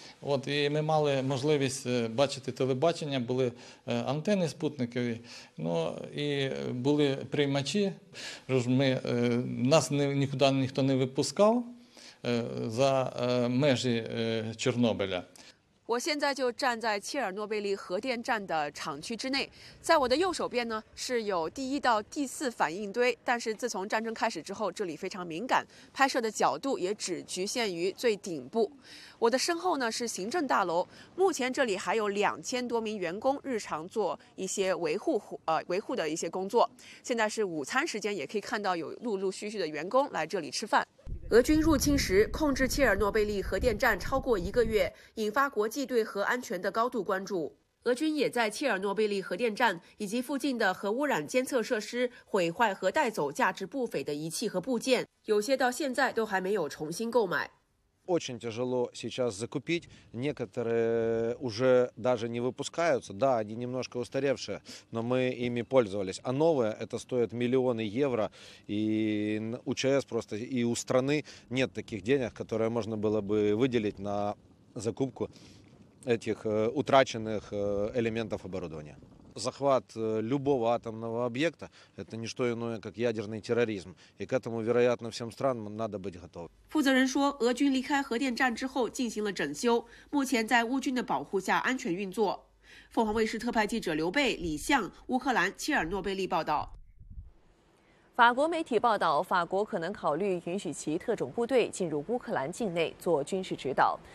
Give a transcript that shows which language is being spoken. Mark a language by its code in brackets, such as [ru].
[uk] От і ми мали можливість бачити телебачення, були антени спутникові, ну і були приймачі. Тож ми нас нікуди ніхто не випускав. [zh] 在门市切尔诺贝利，我现在就站在切尔诺贝利核电站的厂区之内，在我的右手边呢是有第一到第四反应堆，但是自从战争开始之后，这里非常敏感，拍摄的角度也只局限于最顶部。我的身后呢是行政大楼，目前这里还有2000多名员工日常做一些维护的一些工作。现在是午餐时间，也可以看到有陆陆续续的员工来这里吃饭。俄军入侵时控制切尔诺贝利核电站超过一个月，引发国际对核安全的高度关注。俄军也在切尔诺贝利核电站以及附近的核污染监测设施毁坏和带走价值不菲的仪器和部件，有些到现在都还没有重新购买。 [ru] Очень тяжело сейчас закупить. Некоторые уже даже не выпускаются. Да, они немножко устаревшие, но мы ими пользовались. А новые это стоят миллионы евро. И у ЧС просто и у страны нет таких денег, которые можно было бы выделить на закупку этих утраченных элементов оборудования. Захват любого атомного объекта – это не что иное, как ядерный терроризм. И к этому, вероятно, всем странам надо быть готовым. [zh] 负责人说，俄军离开核电站之后进行了整修，目前在乌军的保护下安全运作。凤凰卫视特派记者刘贝、李向，乌克兰切尔诺贝利报道。法国媒体报道，法国可能考虑允许其特种部队进入乌克兰境内做军事指导。